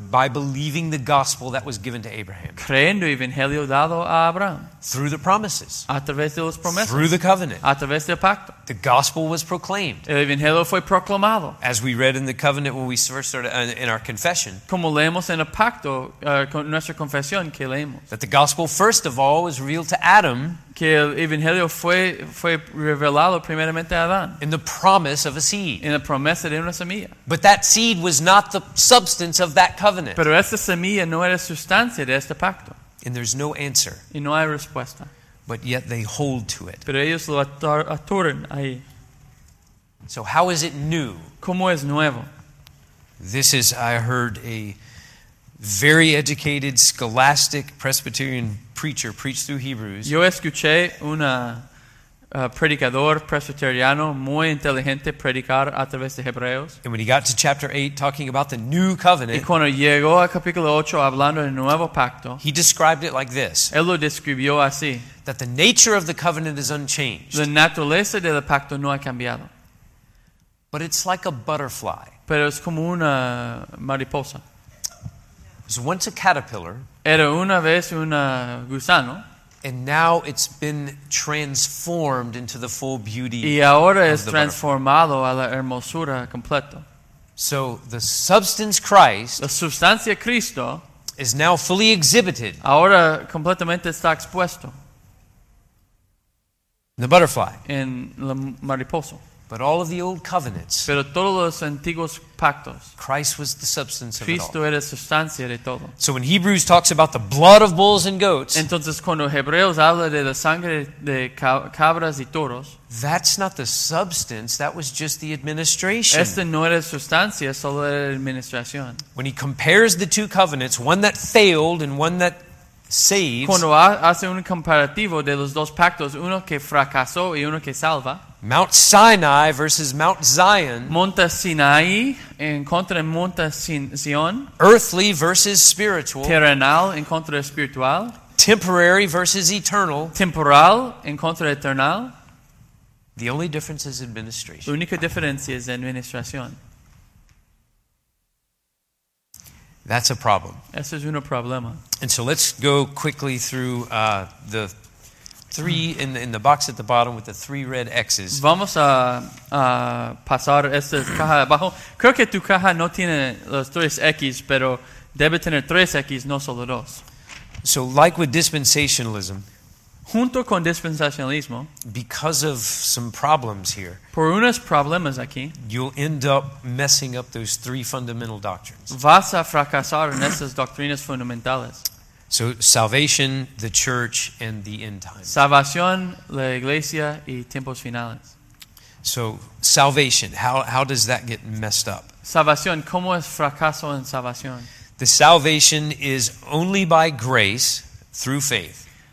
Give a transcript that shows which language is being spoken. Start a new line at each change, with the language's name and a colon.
English: By believing the gospel that was given to Abraham.
Spanish: Creyendo el evangelio dado a Abraham.
English: Through the promises.
Spanish: A través de las promesas.
English: Through the covenant.
Spanish: A través del pacto.
English: The gospel was proclaimed.
Spanish: El evangelio fue proclamado.
English: As we read in the covenant when we first started in our confession.
Spanish: Como leemos en el pacto, con nuestra confesión que leemos.
English: That the gospel first of all was revealed to Adam.
Spanish: Que el evangelio fue revelado primeramente a Adán.
English: In the promise of a seed.
Spanish: En la promesa de una semilla.
English: But that seed was not the substance of that covenant.
Spanish: Pero esta semilla no era sustancia de este pacto.
English: And there's no answer.
Spanish: Y no hay respuesta.
English: But yet they hold to it.
Spanish: Pero ellos lo atoran ahí.
English: So how is it new?
Spanish: ¿Cómo es nuevo?
English: This is, I heard a very educated, scholastic, Presbyterian preacher preach through Hebrews.
Spanish: Yo escuché una predicador presbiteriano muy inteligente predicar a través de Hebreos.
English: And when he got to chapter 8 talking about the new covenant,
Spanish: y cuando llegó a capítulo 8 hablando del nuevo pacto,
English: he described it like this.
Spanish: Él lo describió así.
English: That the nature of the covenant is unchanged.
Spanish: La naturaleza del pacto no ha cambiado.
English: But it's like a butterfly.
Spanish: Pero es como una mariposa.
English: It was once a caterpillar.
Spanish: Era una vez una gusano.
English: And now it's been transformed into the full beauty.
Spanish: Y ahora es transformado a la hermosura completo.
English: So the substance Christ,
Spanish: la sustancia Cristo,
English: is now fully exhibited.
Spanish: Ahora completamente está expuesto.
English: The butterfly.
Spanish: En la mariposa.
English: But all of the old covenants.
Spanish: Pero todos los antiguos pactos.
English: Christ was the substance of
Spanish: Cristo
English: it all.
Spanish: Cristo era sustancia de todo.
English: So when Hebrews talks about the blood of bulls and goats.
Spanish: Entonces cuando Hebreos habla de la sangre de cabras y toros.
English: That's not the substance. That was just the administration.
Spanish: Esta no era sustancia, solo era administración.
English: When he compares the two covenants, one that failed and one that saves.
Spanish: Cuando hace un comparativo de los dos pactos, uno que fracasó y uno que salva.
English: Mount Sinai versus Mount Zion.
Spanish: Monte Sinai en contra de Monte Sion.
English: Earthly versus spiritual.
Spanish: Terrenal en contra de espiritual.
English: Temporary versus eternal.
Spanish: Temporal en contra de eternal.
English: The only difference is administration.
Spanish: La única diferencia es administración.
English: That's a problem.
Spanish: Eso es un problema.
English: And so let's go quickly through the three in the box at the bottom with the three red X's.
Spanish: Vamos a pasar esta caja abajo. Creo que tu caja no tiene los tres X, pero debe tener tres X, no solo dos.
English: So, like with dispensationalism,
Spanish: junto con dispensacionalismo,
English: because of some problems here,
Spanish: por unos problemas aquí,
English: you'll end up messing up those three fundamental doctrines.
Spanish: Vas a fracasar en esas doctrinas fundamentales.
English: So salvation, the church, and the end times.
Spanish: Salvación, la iglesia, y tiempos finales.
English: So salvation, how does that get messed up?
Spanish: Salvación, ¿cómo es fracaso en salvación?
English: The salvation is only by grace through faith.